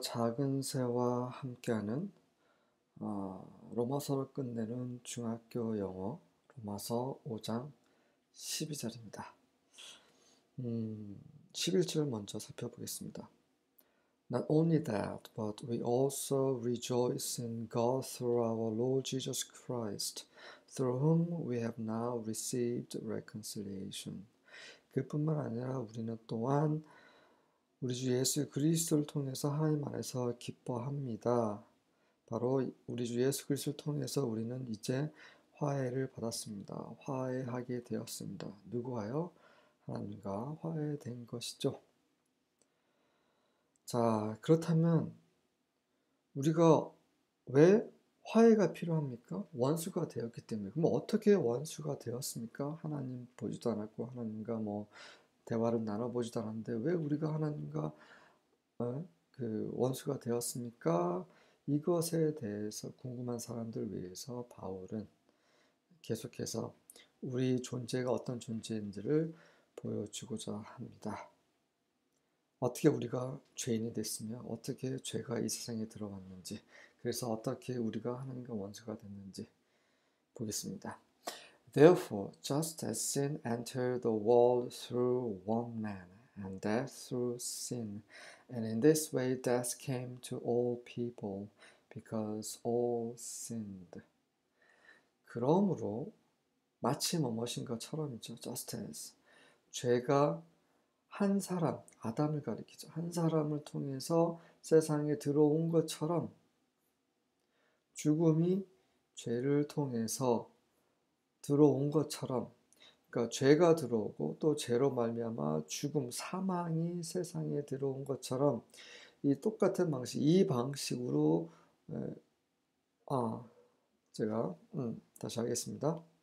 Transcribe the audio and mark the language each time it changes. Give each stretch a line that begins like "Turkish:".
Korean: 작은 새와 함께하는 로마서를 끝내는 중학교 영어 로마서 5장 12절입니다. 11절 먼저 살펴보겠습니다.
English: Not only that, but we also rejoice in God through our Lord Jesus Christ, through whom we have now received reconciliation.
Korean: 그뿐만 아니라 우리는 또한 우리 주 예수 그리스도를 통해서 하나님 안에서 기뻐합니다. 바로 우리 주 예수 그리스도를 통해서 우리는 이제 화해를 받았습니다. 화해하게 되었습니다. 누구와요? 하나님과 화해된 것이죠. 자, 그렇다면 우리가 왜 화해가 필요합니까? 원수가 되었기 때문에. 그럼 어떻게 원수가 되었습니까? 하나님 보지도 않았고 하나님과 뭐 대화를 나눠보지도 않았는데 왜 우리가 하나님과 원수가 되었습니까? 이것에 대해서 궁금한 사람들 위해서 바울은 계속해서 우리 존재가 어떤 존재인지를 보여주고자 합니다. 어떻게 우리가 죄인이 됐으며 어떻게 죄가 이 세상에 들어왔는지 그래서 어떻게 우리가 하나님과 원수가 됐는지 보겠습니다.
English: Therefore, just as sin entered the world through one man, and death through sin, and in this way death came to all people, because all sinned.
Korean: 그러므로 마치 무엇인가처럼이죠.
English: Just as
Korean: 죄가 한 사람, 아담을 가리키죠. 한 사람을 통해서 세상에 들어온 것처럼 죽음이 죄를 통해서 들어온 것처럼, 그러니까 죄가 들어오고 또 죄로 말미암아 죽음, 사망이 세상에 들어온 것처럼 이 똑같은 방식, 이 방식으로 제가 다시 하겠습니다.